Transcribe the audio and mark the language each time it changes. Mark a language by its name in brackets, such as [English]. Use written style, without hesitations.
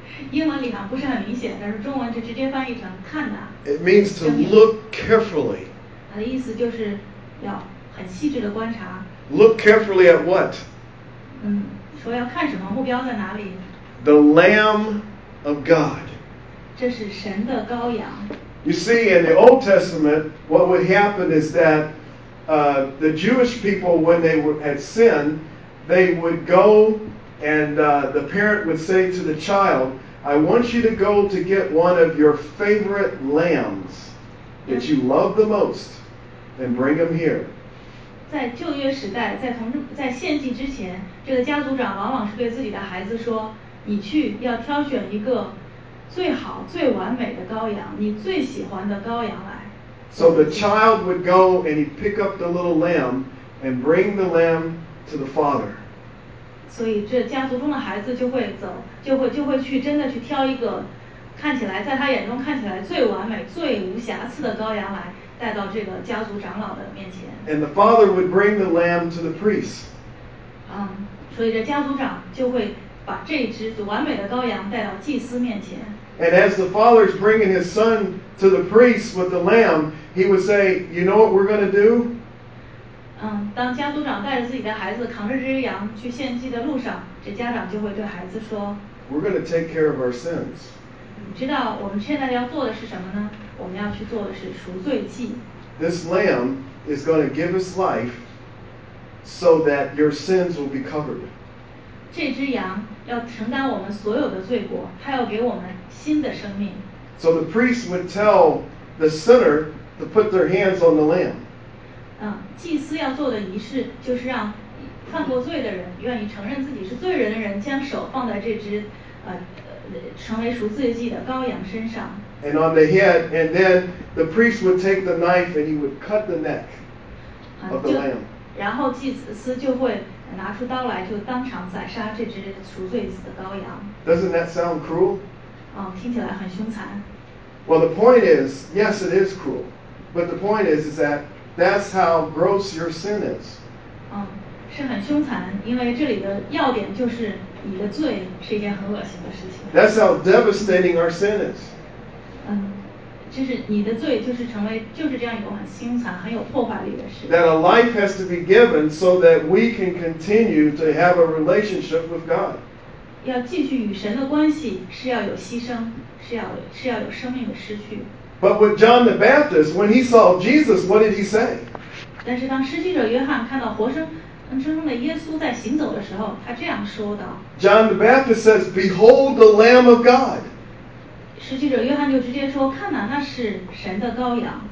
[Chinese] 英文里啊不是很明显，但是中文就直接翻译成看哪。 [English] It means to look carefully. [Chinese] 它的意思就是要很细致的观察。 [English] Look carefully at what? [Chinese] 说要看什么，目标在哪里？ [English] The Lamb of God. [Chinese] 这是神的羔羊。 [English] You see, in the Old Testament, what would happen is that the Jewish people, when they had sinned, they would go and the parent would say to the child, I want you to go to get one of your favorite lambs that you love the most and bring them here. [Chinese] 在旧约时代，在献祭之前，这个家族长往往是对自己的孩子说，你去要挑选一个最好最完美的羔羊，你最喜欢的羔羊来。 [English] So the child would go and he'd pick up the little lamb and bring the lamb to the father. [Chinese] 所以这家族中的孩子就会去真的去挑一个看起来在他眼中看起来最完美最无瑕疵的羔羊来。带到这个家族长老的面前。 [English] And the father would bring the lamb to the priest. [Chinese] 所以这家族长就会把这只完美的羔羊带到祭司面前。 [English] And as the father is bringing his son to the priest with the lamb, he would say, you know what we're going to do? [Chinese] 当家族长带着自己的孩子扛着这只羊去献祭的路上，这家长就会对孩子说， [English] We're going to take care of our sins. [Chinese] 你知道我们现在要做的是什么呢？我们要去做的是赎罪祭。 [English] This lamb is going to give his life so that your sins will be covered. [Chinese] 这只羊要承担我们所有的罪过，它要给我们新的生命。 [English] So the priest would tell the sinner to put their hands on the lamb. [Chinese] 祭司要做的仪式就是让犯过罪的人，愿意承认自己是罪人的人，将手放在这只成为赎罪祭的羔羊身上。 [English] And on the head, and then the priest would take the knife and he would cut the neck of the lamb. [Chinese] 然后祭司就会拿出刀来，就当场宰杀这只赎罪子的羔羊。 [English] Doesn't that sound cruel? [Chinese] 听起来很凶残。 [English] Well, the point is, yes, it is cruel. But the point is that that's how gross your sin is. [Chinese] 是很凶残，因为这里的要点就是你的罪是一件很恶心的事情。 [English] That's how devastating our sin is. [Chinese] 就是你的罪就是成为就是这样一个很凶残很有破坏力的事。 [English] That a life has to be given so that we can continue to have a relationship with God. [Chinese] 要继续与神的关系是要有牺牲，是要有生命的失去。 [English] But with John the Baptist, when he saw Jesus, what did he say? [Chinese] 但是当施洗者约翰看到活生生生的耶稣在行走的时候，他这样说道。 [English] John the Baptist says, "Behold the Lamb of God." [Chinese] 施洗者约翰就直接说，看哪，那是神的羔羊。